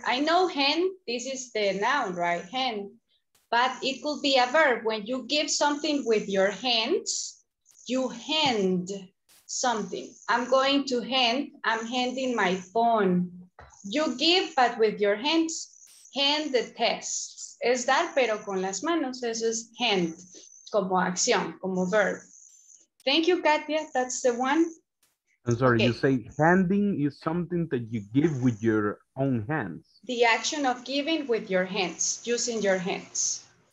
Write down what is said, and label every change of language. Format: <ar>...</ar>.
<en>I know hand, this is the noun, right? Hand, but it could be a verb. When you give something with your hands, you hand something. I'm going to hand, I'm handing my phone. You give, but with your hands, hand the test.</en> <es>Es dar, pero con las manos, eso es hand, como acción, como verb.</es> <en>Thank you, Katia, that's the one. I'm sorry, okay. You say handing is something that you give with your own hands. The action of giving with your hands, using your hands.</en>